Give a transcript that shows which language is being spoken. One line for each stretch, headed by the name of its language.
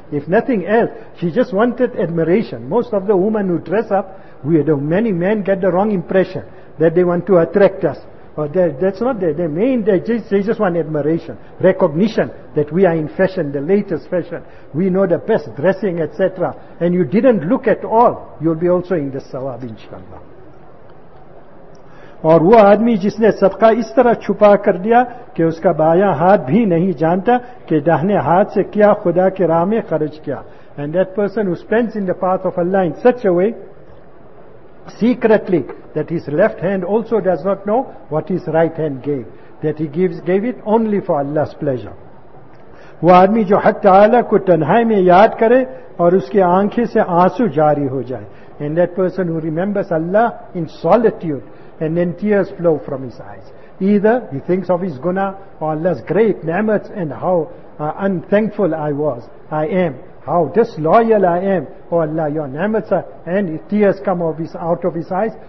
English: If nothing else, she just wanted admiration. Most of the women who dress up, many men get the wrong impression that they want to attract us. Oh, that's not the main. They just want admiration, recognition that we are in fashion, the latest fashion. We know the best dressing, etc. And you didn't look at all, you'll be also in the sawab, inshallah.
Urdu: اور وہ آدمی جس نے صدقہ اس طرح چھپا کر دیا کہ اس کا بایاں ہاتھ بھی نہیں جانتا کہ داہنے ہاتھ سے کیا خدا کے راہ میں خرچ کیا.
English: And that person who spends in the path of Allah in such a way, secretly, that his left hand also does not know what his right hand gave, that he gave it only for Allah's pleasure.
Urdu: وہ آدمی جو حق تعالیٰ کو تنہائی میں یاد کرے اور اس کے آنکھیں سے آنسو جاری ہو جائے.
English: And that person who remembers Allah in solitude, and then tears flow from his eyes. Either he thinks of his guna or Allah's great ni'mat and how unthankful I am, how disloyal I am. Oh Allah, your ni'mat, and tears come out of his eyes.